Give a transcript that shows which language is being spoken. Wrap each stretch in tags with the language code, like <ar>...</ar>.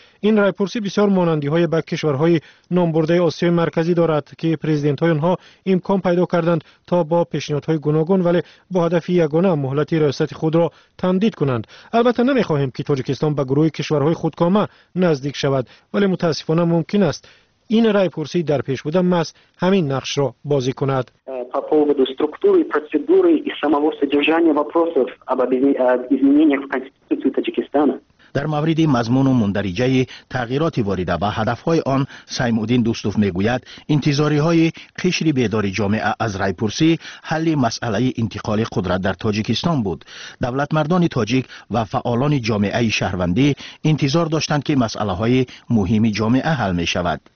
<fa>این رای پرسی بسیار مانندی های به کشورهای نامبرده آسیای مرکزی دارد که پرزیدنت های آنها امکان پیدا کردند تا با پیشنهادهای گوناگون ولی با هدف یگانه مهلت ریاست خود را تمدید کنند. البته نمیخواهیم که تاجیکستان به گروه کشورهای خودکامه نزدیک شود، ولی متاسفانه ممکن است این رای پرسی در پیش بوده ماس همین نقش را بازی کند.</fa> <ru>По поводу структуры, процедуры и самого содержания вопросов об изменениях в Конституции Таджикистана.</ru> <fa>در مورد مضمون و مندرجه تغییرات وارده و هدفهای آن، سیمودین دوستوف میگوید انتظاری های قشر بیدار جامعه از رای پرسی حل مسئله انتقال قدرت در تاجیکستان بود. دولت مردان تاجیک و فعالان جامعه شهروندی انتظار داشتند که مسئله های مهم جامعه حل می شود.</fa>